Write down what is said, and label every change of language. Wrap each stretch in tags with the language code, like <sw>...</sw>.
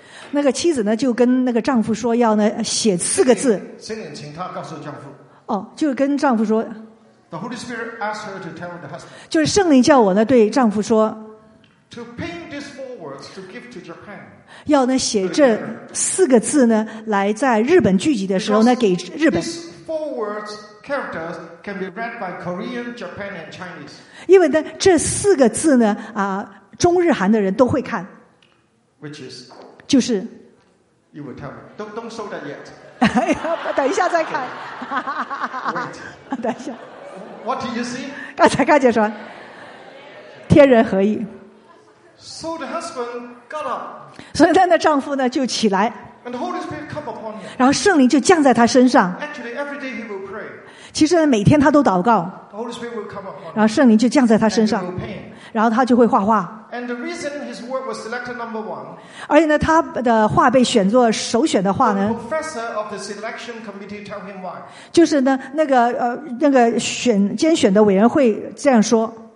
<zh>那个妻子呢就跟那个丈夫说要呢写四个字。圣灵请他告诉丈夫。就跟丈夫说。</zh> <en>The Holy Spirit asked her to tell the husband.</en> <zh>就是圣灵叫我呢对丈夫说。</zh> <en>To paint these four words to give to Japan.</en> <zh>要呢写这四个字呢来在日本聚集的时候呢给日本。</zh> <en>Four words. Characters can be read by Korean, Japan, and Chinese.</en> <zh>因为呢，这四个字呢，中日韩的人都会看。</zh> <en>Which is?</en> <zh>就是。</zh> <en>You will tell me. Don't show that yet.</en> <zh>等一下再看。</zh> <en>Okay. Wait.</en> <zh>等一下。</zh> <en>What do you see?</en> <zh>刚才看见什么？天人合一。</zh> <en>So the husband got up.</en> <zh>所以他的丈夫呢就起来。</zh> <en>And the Holy Spirit come upon him.</en> <zh>然后圣灵就降在他身上。</zh> <en>Actually, every day he will pray.</en> <zh>其实每天他都祷告。</zh> <en>The Holy Spirit will come upon him.</en> <zh>然后圣灵就降在他身上。</zh> <en>And he will paint.</en> <zh>然后他就会画画。</zh> <en>And the reason his was selected number one.</en> <zh>而且呢，他的话被选作首选的话呢</zh> <en>，The professor of the selection committee told him why.</en> <zh>就是呢，那个选监选的委员会这样说。</zh>